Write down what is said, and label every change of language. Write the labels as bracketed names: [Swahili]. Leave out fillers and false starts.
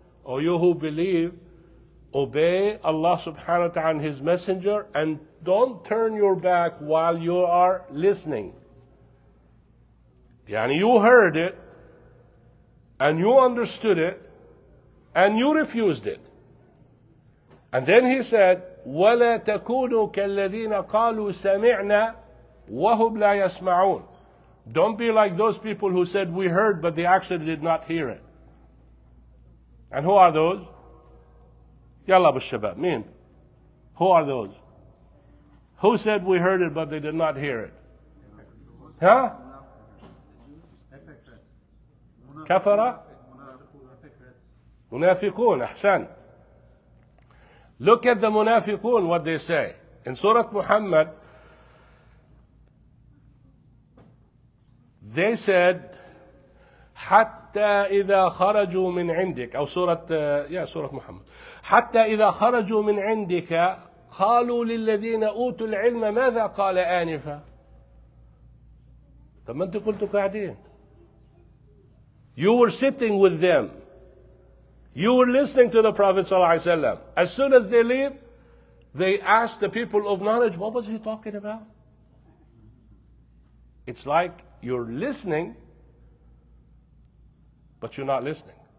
[English] Oh, you who believe, obey Allah subhanahu wa ta'ala and His messenger, and don't turn your back while you are listening. Yani you heard it, and you understood it, and you refused it. And then He said, وَلَا تَكُونُوا كَالَّذِينَ قَالُوا سَمِعْنَا وَهُمْ لَا يَسْمَعُونَ. Don't be like those people who said, we heard, but they actually did not hear it. And who are those? يَلَّا بُالشَّبَابْ. Mean? Who are those? Who said, we heard it, but they did not hear it? Huh? [Arabic] كفرة منافقون. أحسن. [English] Look at the منافقون, what they say. [Arabic] In Surah Muhammad, they said, حتى إذا خرجوا من عندك, أو سورة, yeah, سورة محمد, حتى إذا خرجوا من عندك قالوا للذين أوتوا العلم ماذا قال آنفا. طب ما أنت قلت قاعدين. [English] You were sitting with them. You were listening to the Prophet صلى الله عليه وسلم. As soon as they leave, they ask the people of knowledge, what was he talking about? It's like you're listening, but you're not listening.